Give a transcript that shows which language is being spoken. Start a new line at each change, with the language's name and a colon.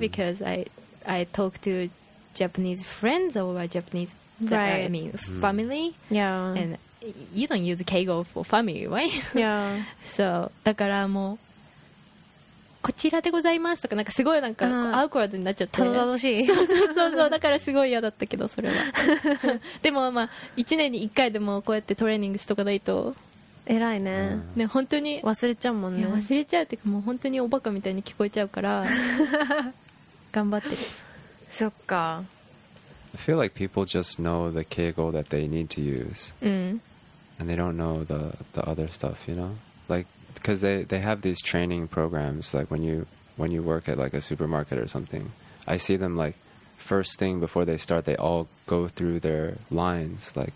English: because I talk to Japanese friends or Japanese, right? I mean family, yeah. And you don't use keigo for family, right? Yeah.
Japanese: So, だからもうこちらでございますとか、なんかすごいなんかアウコードになっちゃって、たどたどしい。そうだからすごい嫌だったけど、それはでもまあ1年に1回でもこうやってトレーニングしとかないと偉いね。ね、本当に忘れちゃうもんね。忘れちゃうっていうか、もう本当におバカみたいに聞こえちゃうから頑張ってる。そっか。
English: I feel like people just know the 敬語 that they need to use、うん、 and they don't know the other stuff, you know, like because they have these training programs, like when you work at like a supermarket or something, I see them like first thing before they start, they all go through their lines, like